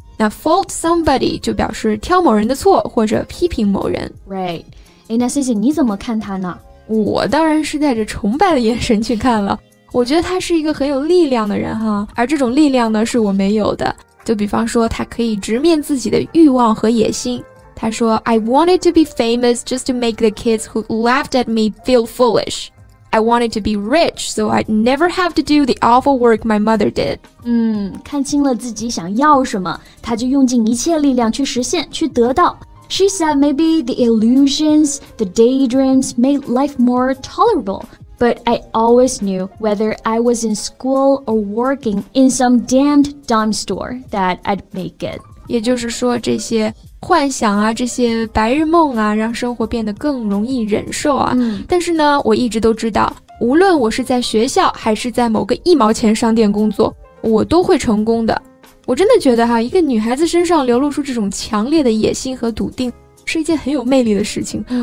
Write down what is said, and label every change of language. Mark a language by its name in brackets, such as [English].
[Chinese] 那 fault somebody 就表示挑某人的错或者批评某人。 Right. 哎，那 Cici 你怎么看他呢？我当然是带着崇拜的眼神去看了。我觉得他是一个很有力量的人哈，而这种力量呢，是我没有的。就比方说，他可以直面自己的欲望和野心。 [English] 他说 ：“I wanted to be famous just to make the kids who laughed at me feel foolish. I wanted to be rich so I'd never have to do the awful work my mother did.” [Chinese] 看清了自己想要什么，他就用尽一切力量去实现，去得到。 [English] She said maybe the illusions, the daydreams made life more tolerable. But I always knew whether I was in school or working in some damned dime store that I'd make it. [Chinese] 也就是说这些幻想啊，这些白日梦啊，让生活变得更容易忍受啊。但是呢，我一直都知道，无论我是在学校还是在某个一毛钱商店工作，我都会成功的。我真的觉得哈，一个女孩子身上流露出这种强烈的野心和笃定是一件很有魅力的事情。